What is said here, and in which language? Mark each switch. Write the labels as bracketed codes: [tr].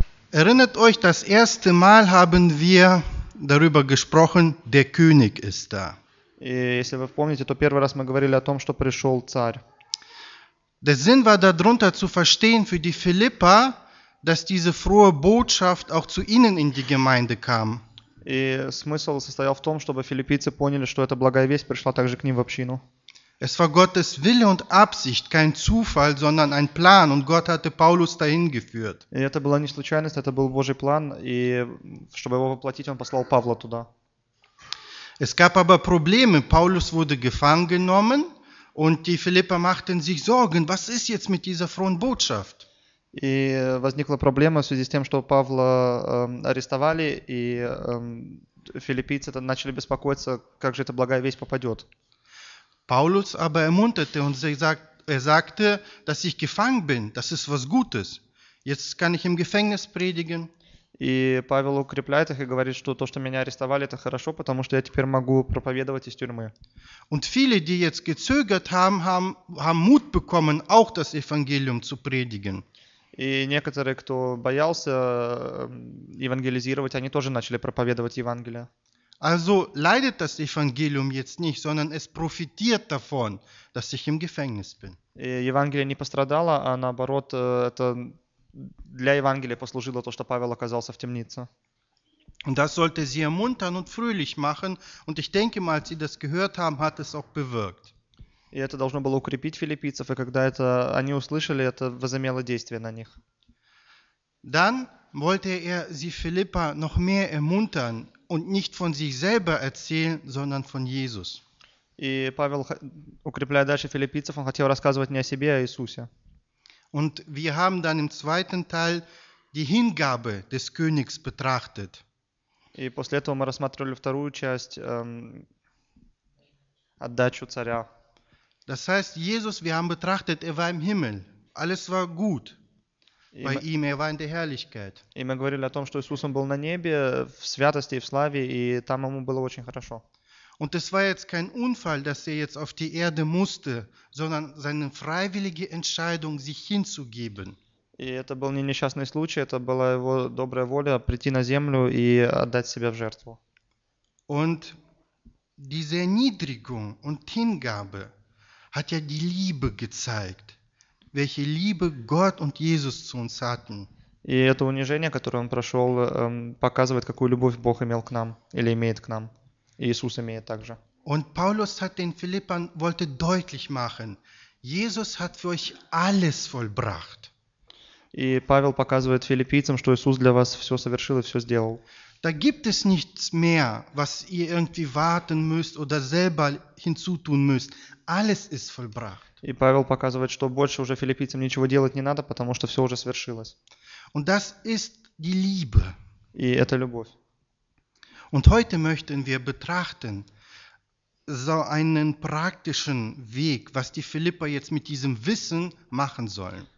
[de] Erinnert euch, das erste Mal haben wir darüber gesprochen, der König ist da. [ru] И если вы помните, то первый раз мы говорили о том, что пришел царь. [de] Der Sinn war darunter zu verstehen für die Philippa, dass diese frohe Botschaft auch zu ihnen in die Gemeinde kam. [ru] И смысл состоял в том, чтобы филиппийцы поняли, что эта благая весть пришла также к ним в общину. [de] Es war Gottes Wille und Absicht, kein Zufall, sondern ein Plan, und Gott hatte Paulus dahin geführt. [ru] И это была не случайность, это был Божий план, и чтобы его воплотить, он послал Павла туда. [de] Es gab aber Probleme. Paulus wurde gefangen genommen und die Philipper machten sich Sorgen. Was ist jetzt mit dieser frohen Botschaft? [ru] И возникла проблема в связи с тем, что Павла арестовали, и филиппийцы начали беспокоиться, как же эта благая весть попадет. [de] Paulus aber ermunterte und sagte, dass ich gefangen bin. Das ist was Gutes. Jetzt kann ich im Gefängnis predigen. [ru] И Павел укрепляет их и говорит, что то, что меня арестовали, это хорошо, потому что я теперь могу проповедовать из тюрьмы. [de] Und viele, die jetzt gezögert haben, haben Mut bekommen, auch das Evangelium zu predigen. [ru] И некоторые, кто боялся евангелизировать, они тоже начали проповедовать Евангелие. [de] Also leidet das Evangelium jetzt nicht, sondern es profitiert davon, dass ich im Gefängnis bin. [ru] И Евангелие не пострадало, а наоборот, это для Евангелия послужило то, что Павел оказался в темнице. [de] Und das sollte sie ermuntern und fröhlich machen. Und ich denke mal, als sie das gehört haben, hat es auch bewirkt. [ru] И это должно было укрепить филиппийцев, и когда это они услышали, это возымело действие на них. [de] Dann wollte er sie Philippa noch mehr ermuntern und nicht von sich selber erzählen, sondern von Jesus. [ru] И Павел, укрепляя дальше филиппийцев, он хотел рассказывать не о себе, а о Иисусе. [de] Und wir haben dann im zweiten Teil die Hingabe des Königs betrachtet. [ru] И после этого мы рассматривали вторую часть отдачу царя. [de] Das heißt, Jesus, wir haben betrachtet, er war im Himmel. Alles war gut bei ihm, er war in der Herrlichkeit. [ru] И мы говорили о том, что Иисус, он был на небе, в святости и в славе, и там ему было очень хорошо. [de] Und es war jetzt kein Unfall, dass er jetzt auf die Erde musste, sondern seine freiwillige Entscheidung, sich hinzugeben. [ru] И это был не несчастный случай, это была его добрая воля прийти на землю и отдать себя в жертву. [de] Und diese Erniedrigung und Hingabe hat ja die Liebe gezeigt, welche Liebe Gott und Jesus zu uns hatten. [ru] И это унижение, которое он прошел, показывает, какую любовь Бог имел к нам или имеет к нам. Иисус имеет также. [de] Und Paulus hat den Philippern wollte deutlich machen, Jesus hat für euch alles vollbracht. [ru] И Павел показывает филиппийцам, что Иисус для вас все совершил и все сделал. [de] Da gibt es nichts mehr, was ihr irgendwie warten müsst oder selber hinzutun müsst. Alles ist vollbracht. [ru] И Павел показывает, что больше уже филиппийцам ничего делать не надо, потому что все уже свершилось. [de] Und das ist die Liebe. [ru] И это любовь. [de] Und heute möchten wir betrachten so einen praktischen Weg, was die Philipper jetzt mit diesem Wissen machen sollen.